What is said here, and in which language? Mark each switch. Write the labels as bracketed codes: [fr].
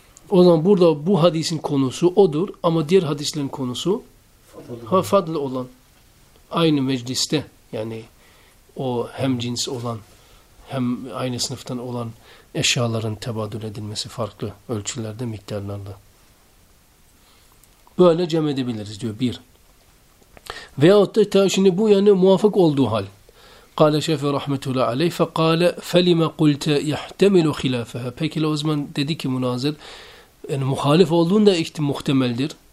[tr] O zaman burada bu hadisin konusu odur ama diğer hadislerin konusu fadlı olan aynı mecliste yani o hem cins olan hem aynı sınıftan olan eşyaların tebadül edilmesi farklı ölçülerde miktarlarda. Böyle cem edebiliriz diyor bir. Veyahut da şimdi bu yani muvaffak olduğu hal. [ar] قال شافعي رحمه الله عليه فقال فلما قلت يحتمل خلافها. [tr] Peki o zaman dedi ki münazir yani muhalif olduğunda muhtemeldir.